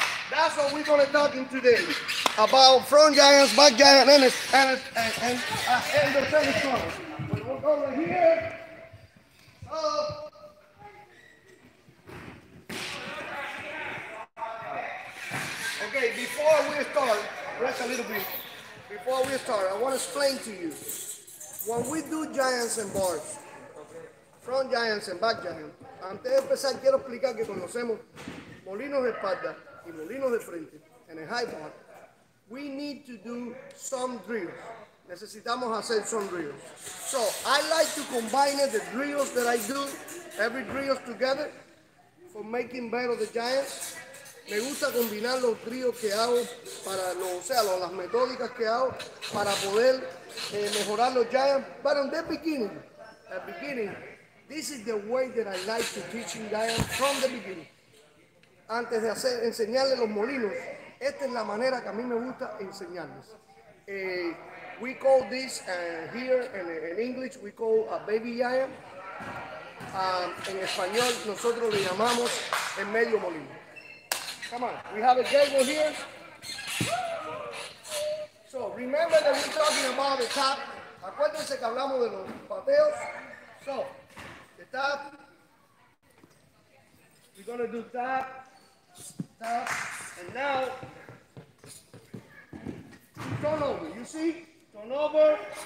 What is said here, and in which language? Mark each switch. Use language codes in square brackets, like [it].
[en] That's what we're gonna talk in today about front giants, back giants, and the okay, before we start, I want to explain to you when we do giants and bars, front giants and back giants. [es] Antes de empezar, quiero explicar que conocemos molinos de espalda. Y molinos de frente, en el high bar, [en] we need to do some drills. [es] Necesitamos hacer [en] some drills. So, I like to combine the drills that I do, every drills together, for making better the giants. [es] Me gusta combinar los drills que hago, para los, o sea, los, las metódicas que hago, para poder mejorar los giants. [en] But in the beginning, this is the way that I like to teach giants from the beginning. [es] Antes de hacer, enseñarles los molinos, esta es la manera que a mí me gusta enseñarles. [en] We call this here in English, we call a baby giant. [es] En español, nosotros le llamamos el medio molino. [en] Come on, we have a gable here. So, remember that we're talking about the tap. [es] Acuérdense que hablamos de los pateos. [en] So, the tap. We're gonna do tap. And now, turn over, you see? Turn over.